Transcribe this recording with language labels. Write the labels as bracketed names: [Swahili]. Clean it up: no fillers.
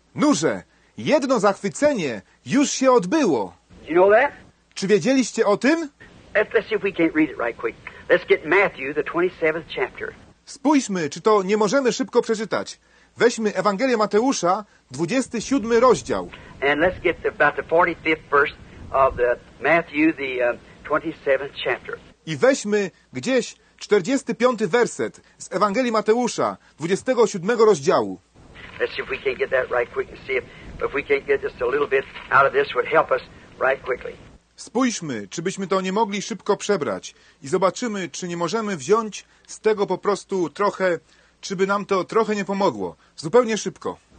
[Polish] Noże, jedno zachwycenie już się odbyło. [English] You know that? [Polish] Czy wiedzieliście o tym? [English] Let's see if we can't read it right quick. Let's get Matthew, the 27th chapter. [Polish] Spójrzmy, czy to nie możemy szybko przeczytać. Weźmy Ewangelię Mateusza, 27 rozdział. [English] And let's get to about the 45th verse of the Matthew, the 27th chapter. [Polish] I weźmy gdzieś 45 werset z Ewangelii Mateusza, 27 rozdziału. [English] Let's see if we can get that right quick and see if we can get just a little bit out of this would help us right quickly. [Polish] Spójrzmy, czy byśmy to nie mogli szybko przebrać i zobaczymy, czy nie możemy wziąć z tego po prostu trochę, czy by nam to trochę nie pomogło. Zupełnie szybko.